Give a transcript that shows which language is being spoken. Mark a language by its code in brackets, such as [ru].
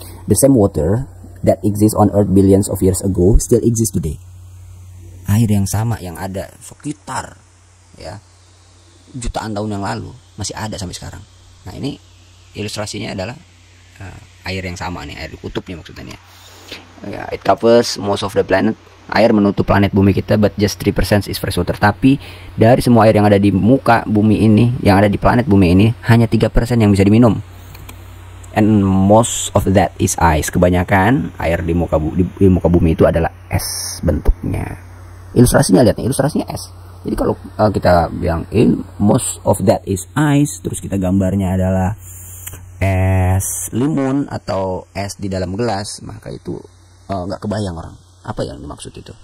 [en] The same water that exists on Earth billions of years ago still exists today. [id] Air yang sama yang ada sekitar ya jutaan tahun yang lalu masih ada sampai sekarang. Nah, ini ilustrasinya adalah air yang sama nih, air kutub nih maksudnya. [en] Yeah, it covers most of the planet. [id] Air menutup planet bumi kita, [en] but just 3% is fresh water. [id] Tapi dari semua air yang ada di muka bumi ini, yang ada di planet bumi ini, hanya 3% yang bisa diminum. [en] And most of that is ice. [id] Kebanyakan air di muka bumi itu adalah es bentuknya. Ilustrasinya, lihat nih, ilustrasinya es. Jadi kalau kita bilang [en] most of that is ice, [id] terus kita gambarnya adalah es limun atau es di dalam gelas, maka itu gak kebayang orang apa yang dimaksud itu.